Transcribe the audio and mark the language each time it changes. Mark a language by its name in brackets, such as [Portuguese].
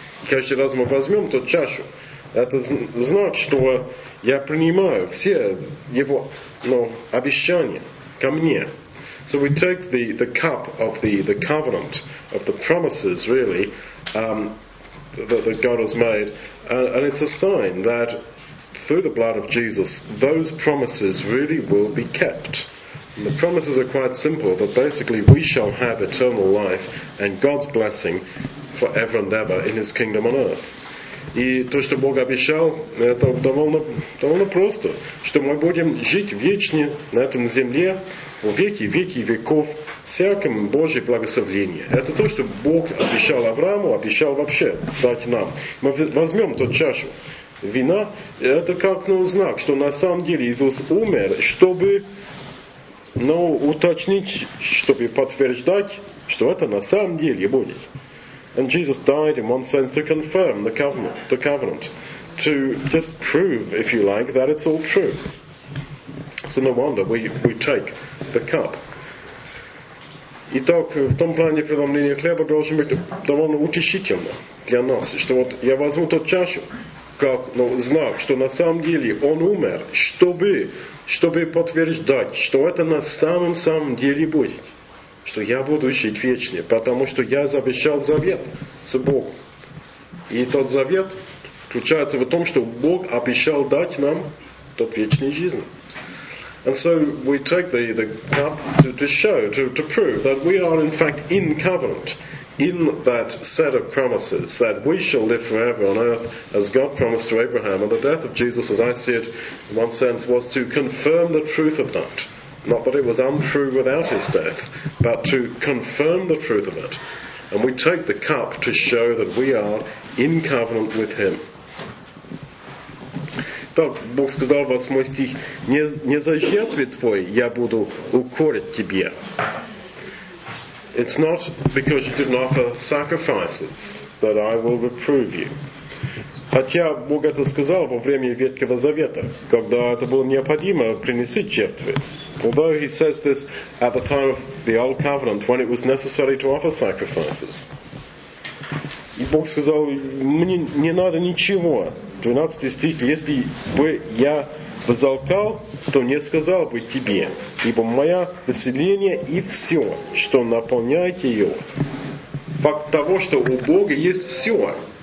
[Russian] И каждый раз мы возьмем ту чашу, это значит, что я принимаю все его обещания ко мне. [English] So we take the cup of the covenant, of the promises, really, that God has made, and it's a sign that through the blood of Jesus, those promises really will be kept. And the promises are quite simple, that basically we shall have eternal life and God's blessing forever and ever in His kingdom on earth. [Russian] И то, что Бог обещал, это довольно просто, что мы будем жить вечно на этом земле, в веки, веки веков, всяким Божьим благословением. Это то, что Бог обещал Аврааму, обещал вообще дать нам. Мы возьмем ту чашу вина, это как знак, что на самом деле Иисус умер, чтобы уточнить, чтобы подтверждать, что это на самом деле будет. [English] And Jesus died in one sense to confirm the covenant, to just prove, if you like, that it's all true. So no wonder we take the cup. [Russian] Итак, в том плане преломления хлеба должен быть довольно утешительно для нас, что вот я возьму тот чашу, как знак, что на самом деле он умер, чтобы подтверждать, что это на самом деле будет. Что я буду жить вечно, потому что я завещал завет с Богом. И тот завет включается в том, что Бог обещал дать нам тот вечный жизнь. [English] And so we take the cup to show, to prove that we are in fact in covenant, in that set of promises, that we shall live forever on earth as God promised to Abraham. And the death of Jesus, as I see it, in one sense, was to confirm the truth of that. not that it was untrue without his death, but to confirm the truth of it. And we take the cup to show that we are in covenant with him. [Russian] Так Бог сказал вас мой стих, не за жертвы твой я буду укорить тебе. [English] It's not because you didn't offer sacrifices that I will reprove you. [Russian] Хотя Бог это сказал во время Ветхого Завета, когда это было необходимо принести жертвы. [English] Although he says this at the time of the Old Covenant, when it was necessary to offer sacrifices. [Russian] И Бог сказал, мне не надо ничего. 12 стих, если бы я возолкал, то не сказал бы тебе, ибо мое поселение и все, что наполняет ее. Факт того, что у Бога есть все,